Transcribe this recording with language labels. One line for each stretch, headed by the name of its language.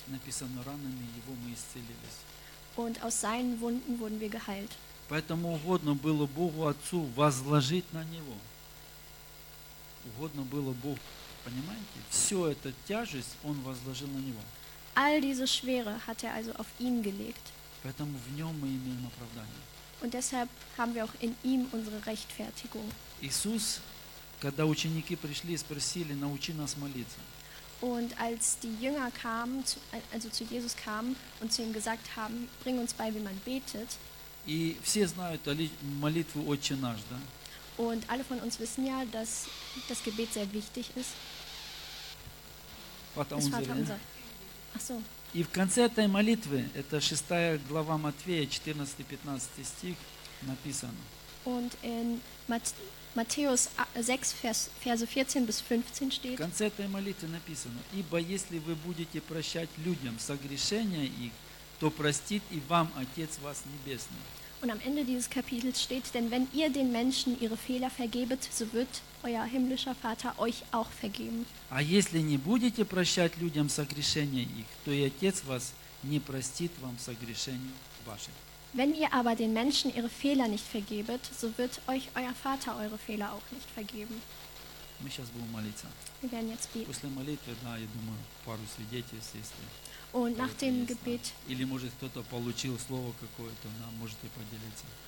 Russian: Написано, ранами его мы исцелились.
German: Und aus seinen Wunden wurden wir geheilt.
Russian: Поэтому угодно было Богу Отцу возложить на него. Угодно было Богу. Понимаете? Все это тяжесть он возложил на него.
German: All diese Schwere hat er also auf ihn gelegt.
Russian: Поэтому в нем мы имеем оправдание.
German: Und deshalb haben wir auch in ihm unsere Rechtfertigung.
Russian: Иисус, когда ученики пришли и спросили, научи нас молиться.
German: Und als die Jünger kamen, also zu Jesus kamen und zu ihm gesagt haben, bring uns bei, wie man betet.
Russian: И все знают молитву Отче наш, да?
German: Und alle von uns wissen ja, dass das Gebet sehr wichtig ist. Vater unser. Ach so.
Russian: И в конце этой молитвы, это 6 глава Матфея, 14-15 стих, написано.
German: Und in Matthäus 6, Verse 14-15 steht.
Russian: В конце этой молитвы написано: Ибо если вы будете прощать людям согрешения их, то простит и вам Отец вас Небесный.
German: Und am Ende dieses Kapitels steht, denn wenn ihr den Menschen ihre Fehler vergebet, so wird euer himmlischer Vater euch auch vergeben.
Russian: А если не будете прощать людям согрешения их, то и Отец вас не простит вам согрешений ваших.
German: Wenn ihr aber den Menschen ihre Fehler nicht vergebet, so wird euch euer Vater eure Fehler auch nicht vergeben.
Russian: Мы сейчас будем молиться.
German: Wir werden jetzt beten.
Russian: После молитвы, да, я думаю, пару свидетельств есть.
German: Und nach dem Gebet.
Russian: Или может кто-то получил слово какое-то, нам можете поделиться.